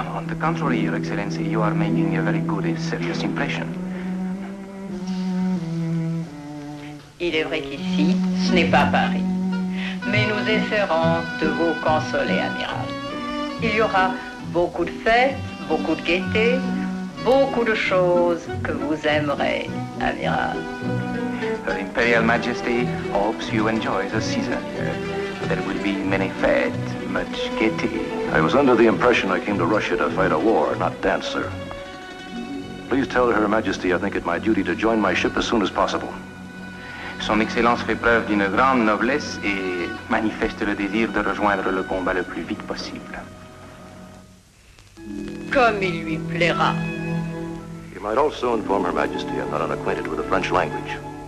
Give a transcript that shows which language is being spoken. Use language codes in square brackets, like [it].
[en] On the contrary, Your Excellency, you are making a very good and serious impression. [fr] Il est vrai qu'ici, ce n'est pas Paris. Mais nous indifférente, vous consolez, amiral. Il y aura beaucoup de fêtes, beaucoup de gaieté, beaucoup de choses que vous aimerez, amiral. [en] Her Imperial Majesty hopes you enjoy the season. There will be many fêtes, much gaieté. I was under the impression I came to Russia to fight a war, not dance, sir. Please tell Her Majesty I think it my duty to join my ship as soon as possible. [fr] Son Excellence fait preuve d'une grande noblesse et manifeste le désir de rejoindre le combat le plus vite possible. Comme il lui plaira. [en] You might also inform Her Majesty I'm not unacquainted with the French language.